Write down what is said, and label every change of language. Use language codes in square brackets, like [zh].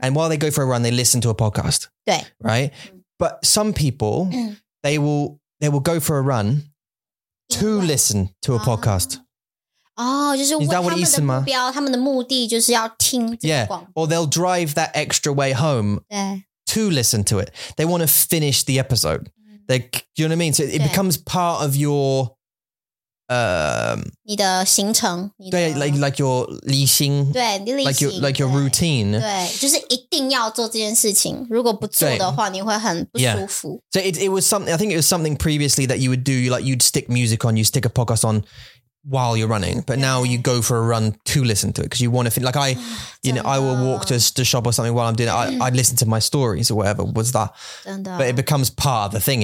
[en] And while they go for a run, they listen to a podcast. [zh] 对。 [en] Right. But some people they will go for a run. To listen to a podcast. [zh] Oh, 就是为他们的目标，他们的目的就是要听这个广播。 [en] Yeah, or they'll drive that extra way home to listen to it. They want to finish the episode. They, you know what I mean? So it becomes part of your... [zh] 你的行程, 你的, 对, like your 例行, 对, [en] like your routine. [zh] 对, 就是一定要做这件事情, 如果不做的话, 你会很不舒服。 [en] Yeah. So it was something, I think it was something previously that you would do, like you'd stick music on, you stick a podcast on while you're running, but now you go for a run to listen to it because you want to feel like I, you know, I will walk to shop or something while I'm doing it. I'd listen to my stories or whatever was that, but it becomes part of the thing.